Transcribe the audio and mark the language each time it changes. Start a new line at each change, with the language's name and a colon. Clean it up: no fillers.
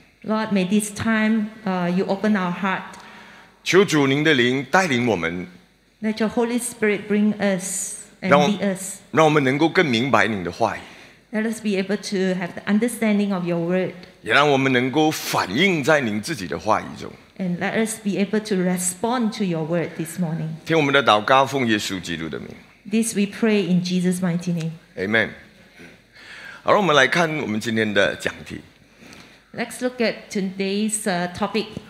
English: Lord, may this time you open our heart.
Chinese: 求主您的灵带领我们。
English: Let your Holy Spirit bring us and lead us.
Chinese: 让我们能够更明白您的话语。
English: Let us be able to have the understanding of your word.
Chinese: 也让我们能够反映在您自己的话语中。
English: And let us be able to respond to your word this morning.
Chinese: 听我们的祷告，奉耶稣基督的名。
English: This we pray in Jesus' mighty name. Amen.
Chinese: 好，我们来看我们今天的讲题。
English: Let's look at today's topic.